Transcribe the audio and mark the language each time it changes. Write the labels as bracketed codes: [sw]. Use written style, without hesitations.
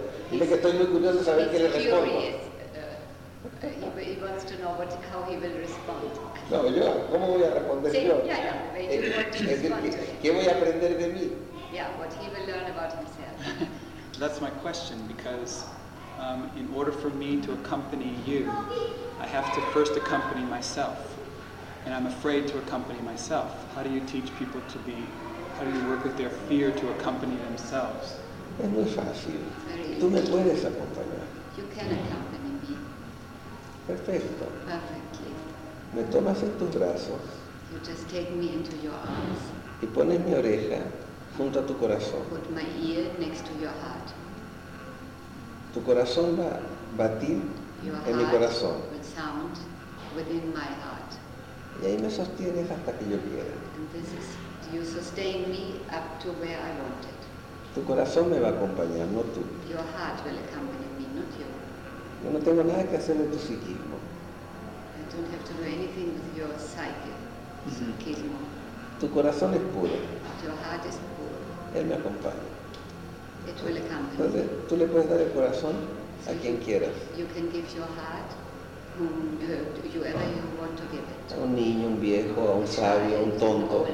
[es] Dile que estoy muy curioso a saber qué le respondo. [en] He wants to know how he will respond. [es] No, yo, ¿cómo voy a responder sí, yo? ¿Qué voy a aprender de mí? [en] Yeah, what he will learn about himself. That's my question, because in order for me to accompany you, I have to first accompany myself. And I'm afraid to accompany myself. How do you teach people to be, how do you work with their fear to accompany themselves? [es] Es muy fácil. Tú me puedes acompañar. [en] You can accompany. [es] Perfecto. [en] Perfectly. [es] Me tomas en tus brazos. [en] You just take me into your arms. [es] Y pones mi oreja junto a tu corazón. [en] Put my ear next to your heart. [es] Tu corazón va a batir [en] your [es] en mi corazón. [en] Will sound within my heart. [es] Y ahí me sostienes hasta que yo quiera. [en] And this is, you sustain me up to where I want it. [es] Tu corazón me va a acompañar, no tú. [en] Your heart will accompany me, not you. [es] Yo no tengo nada que hacer en tu psiquismo. [en] I don't have to do anything with your psyche, psiquismo. [es] Tu corazón es puro. [en] Your heart is pure. [es] Él me acompaña. [en] It will accompany. [es] Entonces, tú le puedes dar el corazón a quien quieras. [en] You can give your heart whoever you want to give it. [es] A un niño, un viejo, a un sabio, a un tonto.